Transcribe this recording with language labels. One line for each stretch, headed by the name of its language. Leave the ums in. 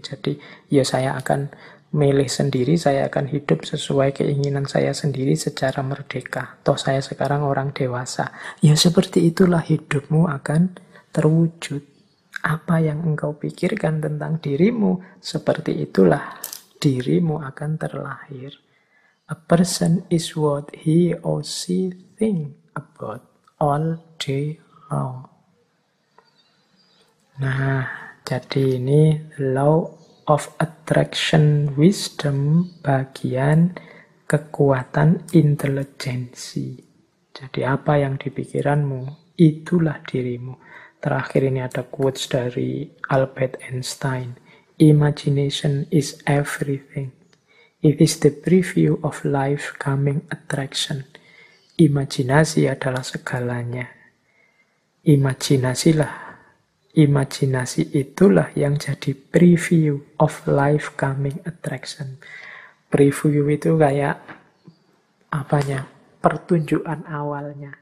Indonesian: Jadi ya saya akan milih sendiri, saya akan hidup sesuai keinginan saya sendiri secara merdeka. Toh saya sekarang orang dewasa. Ya seperti itulah hidupmu akan terwujud. Apa yang engkau pikirkan tentang dirimu, seperti itulah dirimu akan terlahir.
English: A person is what he or she think about all day long.
Indonesian: Nah, jadi ini law of attraction wisdom bagian kekuatan intelijensi. Jadi apa yang di pikiranmu, itulah dirimu. Terakhir ini ada quotes dari Albert Einstein.
English: Imagination is everything. It is the preview of life coming attraction.
Indonesian: Imajinasi adalah segalanya. Imajinasilah imajinasi itulah yang jadi
English: preview of life coming attraction.
Indonesian: Preview itu kayak apanya? Pertunjukan awalnya.